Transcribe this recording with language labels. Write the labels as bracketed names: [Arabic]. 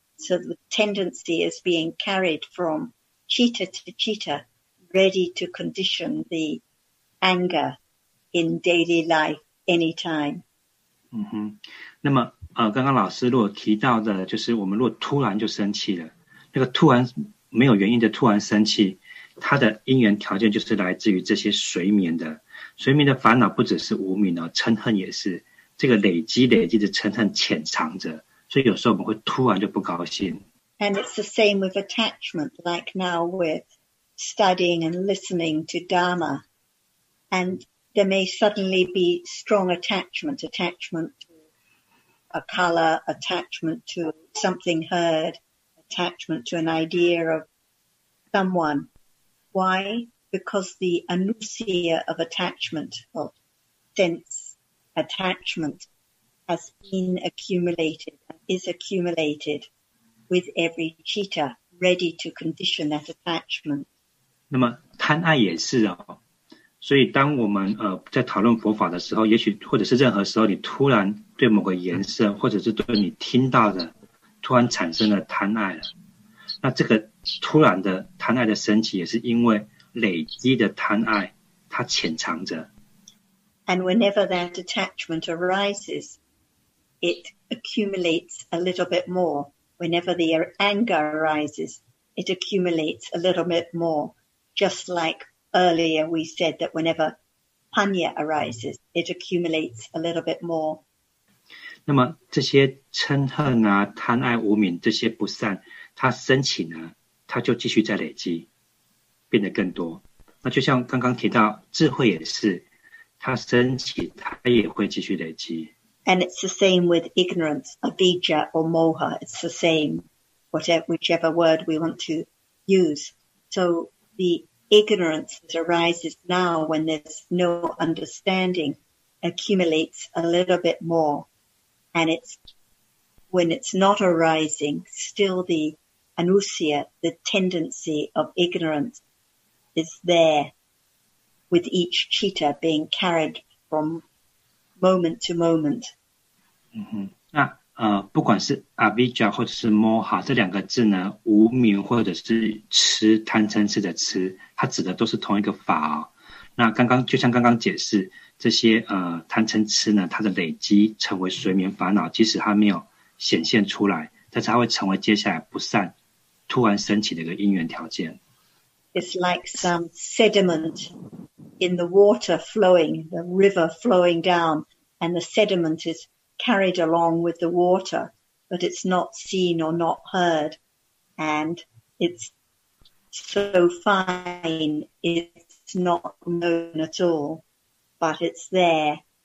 [English] So the tendency is being carried from citta to citta, ready to condition the anger in daily life anytime. [Chinese] 嗯哼，那么刚刚老师如果提到的，就是我们如果突然就生气了，那个突然没有原因的突然生气，它的因缘条件就是来自于这些随眠的。随眠的烦恼不只是无明哦，嗔恨也是，这个累积的嗔恨潜藏着，所以有时候我们会突然就不高兴。 [English] And it's the same with attachment, like now with studying and listening to Dharma. And there may suddenly be strong attachment to a color, attachment to something heard, attachment to an idea of someone. Why? Because the anusya of attachment, of sense attachment, has been accumulated, is accumulated with every citta, ready to condition that attachment. [Chinese] 那么贪爱也是哦，所以当我们在讨论佛法的时候，也许或者是任何时候，你突然对某个颜色，或者是对你听到的，突然产生了贪爱了，那这个突然的贪爱的升起，也是因为。累积的贪爱，它潜藏着。 [English] And whenever that attachment arises, it accumulates a little bit more. Whenever the anger arises, it accumulates a little bit more. Just like earlier we said that whenever panya arises, it accumulates a little bit more. [Chinese] 那么这些嗔恨啊、贪爱、无明这些不善，它升起呢，它就继续在累积。变得更多，那就像刚刚提到，智慧也是，它升起，它也会继续累积。 [English] And it's the same with ignorance, avidya or moha. It's the same, whichever word we want to use. So the ignorance that arises now when there's no understanding accumulates a little bit more, and it's when it's not arising, still the anusya, the tendency of ignoranceis there with each citta being carried from moment to moment. [Chinese] 嗯哼，那不管是 avidya 或者是 moha 这两个字呢，无明或者是痴贪嗔痴的痴，它指的都是同一个法哦。那刚刚就像刚刚解释，这些贪嗔痴呢，它的累积成为随眠烦恼，即使它没有显现出来，但是它会成为接下来不善突然升起的一个因缘条件。 [English] It's like some sediment in the water flowing, the river flowing down, and the sediment is carried along with the water, but it's not seen or not heard. And it's so fine, it's not known at all, but it's there.